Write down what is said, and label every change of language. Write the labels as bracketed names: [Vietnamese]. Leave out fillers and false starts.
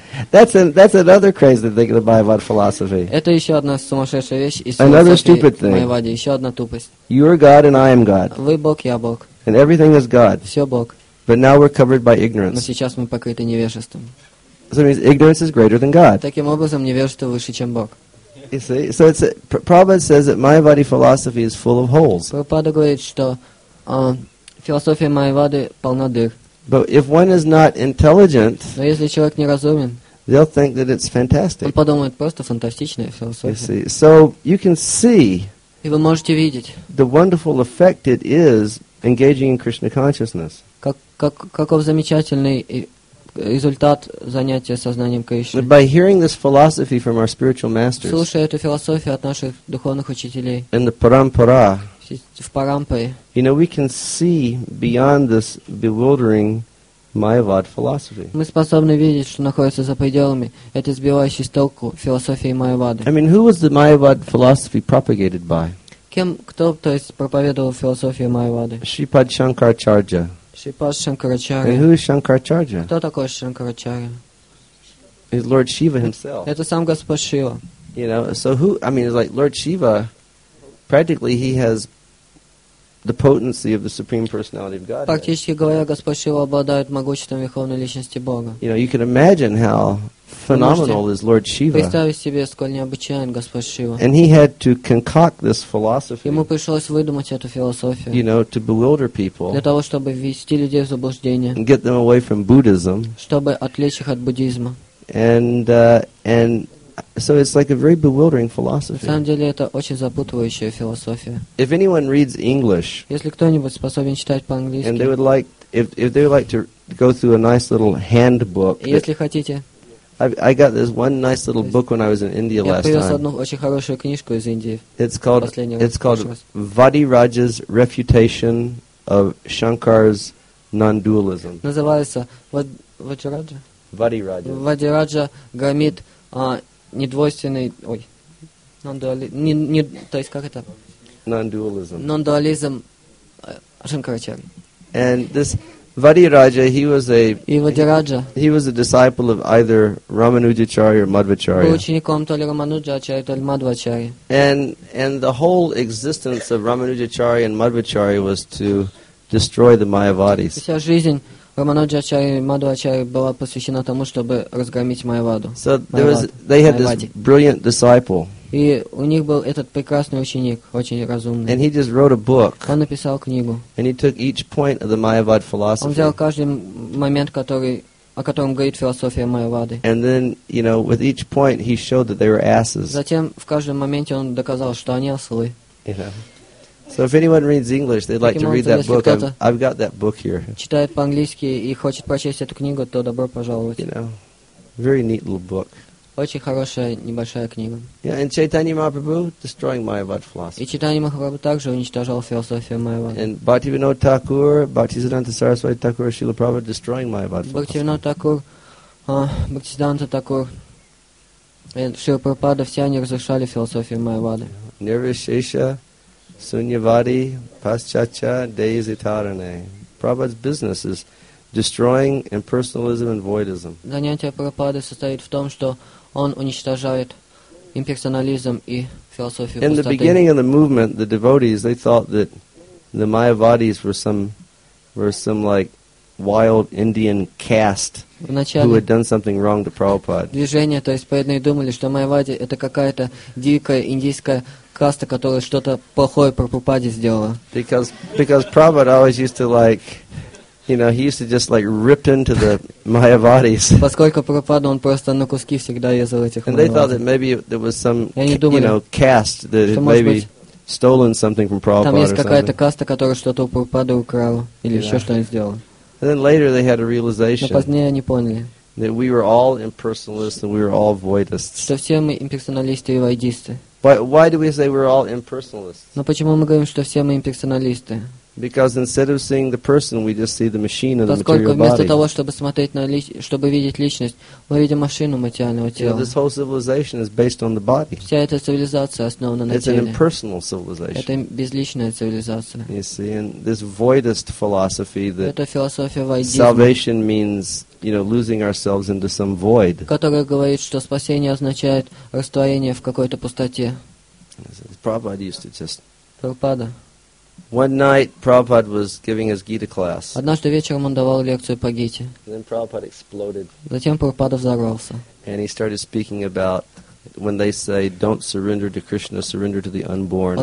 [English] That's another crazy thing to buy about philosophy. [Russian] Это еще одна сумасшедшая вещь из философии Майявады. Еще одна тупость. [English] You are God and I am God. [Russian] Вы Бог, я Бог. [English] And everything is God. [Russian] Все Бог. [English] But now we're covered by ignorance. [Russian] Но сейчас мы покрыты невежеством. [English] So means ignorance is greater than God. [Russian] Таким образом, невежество выше, чем Бог. [English] You see? So it's Prabhupada says that Mayavadi philosophy is full of holes. [Russian] Прабхупада говорит, что философия Майявады полна дыр. [English] But if one is not intelligent, [Russian] но если человек неразумен, [English] they'll think that it's fantastic. [Russian] Он подумает, просто фантастичная философия. [English] You see? So you can see, [Russian] и вы можете видеть, [English] the wonderful effect it is engaging in Krishna consciousness. [Russian] Каков замечательный результат занятия сознанием Кришны. [English] By hearing this philosophy from our spiritual masters. [Russian] Слушая эту философию от наших духовных учителей. [English] In the parampara. [Russian] В парампаре. [English] You know, we can see beyond this bewildering Mayavad philosophy. [Russian] Мы способны видеть, что находится за пределами этой сбивающей с толку философии Майявады. [English] I mean, who was the Mayavad philosophy propagated by? [Russian] Кто, то есть, проповедовал философию Майявады? Шри Падшанкарачарджа. [English] Shripad Shankaracharya. And who is Shankaracharya? [Russian] Кто такой Шанкарачарья? [English] Is Lord Shiva himself. [Russian] Это сам Господь Шива. [English] You know, so who, I mean, it's like Lord Shiva, practically he has the potency of the Supreme Personality of God. [Russian] Практически говоря, Господь Шива обладает могуществом Верховной Личности Бога. [English] You know, you can imagine how phenomenal is Lord Shiva. [Russian] Представьте себе, сколь необычайен Господь Шива. [English] And he had to concoct this philosophy. [Russian] Ему пришлось выдумать эту философию. [English] You know, to bewilder people. [Russian] Для того, чтобы ввести людей в заблуждение. [English] And get them away from Buddhism. [Russian] Чтобы отвлечь их от буддизма. [English] And so it's like a very bewildering philosophy. [Russian] На самом деле это очень запутывающая философия. [English] If anyone reads English, [Russian] если кто-нибудь способен читать по-английски, [English] and they would like, if they would like to go through a nice little handbook, [Russian] если хотите. [English] I got this one nice little book when I was in India last time. [Russian] Я привез одну очень хорошую книжку из Индии. [English] It's called Vadiraj's Refutation of Shankar's Non-Dualism. [Russian] Называется Вадираджа. Вадираджа. Вадираджа громит недвойственный, ой, то есть как это? [English] Non-dualism. [Russian] Non-dualism Шанкарачарьи. [English] And this Vadiraja, he was a disciple of either Ramanujacharya or Madhvacharya. [Russian] Учеником то ли Рамануджачарьи, то ли Мадхвачарьи. [English] And the whole existence of Ramanujacharya and Madhvacharya was to destroy the Mayavadis. [Russian] Вся жизнь Рамануджачарьи и Мадхвачарьи была посвящена тому, чтобы разгромить Майаваду. [English] So they had this brilliant disciple. [Russian] И у них был этот прекрасный ученик, очень разумный. [English] And he just wrote a book. [Russian] Он написал книгу. [English] And he took each point of the Mayavad philosophy. [Russian] Он взял каждый момент, о котором говорит философия Майявады. [English] And then, you know, with each point, he showed that they were asses. [Russian] Затем в каждом моменте он доказал, что они ослы. [English] So if anyone reads English, they'd like to read that book. I've got that book here. [Russian] Читает по-английски и хочет прочесть эту книгу, то добро пожаловать. [English] You know, very neat little book. [Russian] Очень хорошая небольшая книга. [English] Yeah, and Chaitanya Mahaprabhu destroying Mayavad philosophy. [Russian] И Чайтанья Махапрабху также уничтожал философию Майявады. [English] And Bhaktivinoda Thakur, Bhaktisiddhanta Saraswati Thakur, Srila Prabhupada destroying Mayavad philosophy. [Russian] Bhaktivinoda Thakur, Bhaktisiddhanta Thakur, Srila Prabhupada, все они разрушали философию Майявады. [Sanskrit] Nirvishesha Sunyavadi Paschacha Deizitarane. [English] Prabhupada's business is destroying impersonalism and voidism. [Russian] Занятие Прабхупады состоит в том, что он уничтожает имперсонализм и философию пустоты. [English] In the beginning of the movement, the devotees, they thought that the Mayavadis were some like wild Indian caste who had done something wrong to Prabhupada. [Russian] Движение, то есть преданные думали, что Майавади это какая-то дикая индийская каста, которая что-то плохое Прабхупаде сделала. [English] Because Prabhupada always used to like, you know, he used to just like rip into the Mayavadis. [Russian] Поскольку Прабхупада он просто на куски всегда резал этих Майавадис. [English] And they thought that maybe there was some, you know, caste that had maybe stolen something from Prabhupada. [Russian] Там есть какая-то каста, которая что-то у Прабхупады украла или еще что-нибудь сделала. [English] And then later they had a realization. [Russian] Но позднее они поняли. [English] That we were all impersonalists and we were all voidists. [Russian] Что все мы имперсоналисты и воидисты. [English] Why do we say we're all impersonalists? [Russian] Но почему мы говорим, что все мы имперсоналисты? [English] Because instead of seeing the person, we just see the machine and the material body. [Russian] Поскольку вместо того, чтобы смотреть на чтобы видеть личность, мы видим машину материального тела. [English] You know, this whole civilization is based on the body. [Russian] Вся эта цивилизация основана на теле. [English] It's an impersonal civilization. [Russian] Это безличная цивилизация. [English] You see, and this voidist philosophy that [Russian] это философия воидизма. [English] Salvation means, you know, losing ourselves into some void. [Russian] Которая говорит, что спасение означает растворение в какой-то пустоте. [English] Prabhupada used to just. [Russian] Прабхупада. [English] One night, Prabhupada was giving his Gita class. [Russian] Однажды вечером он давал лекцию по Гите. [English] Then Prabhupada exploded. [Russian] Затем Прабхупада взорвался. [English] And he started speaking about when they say, "Don't surrender to Krishna, surrender to the unborn."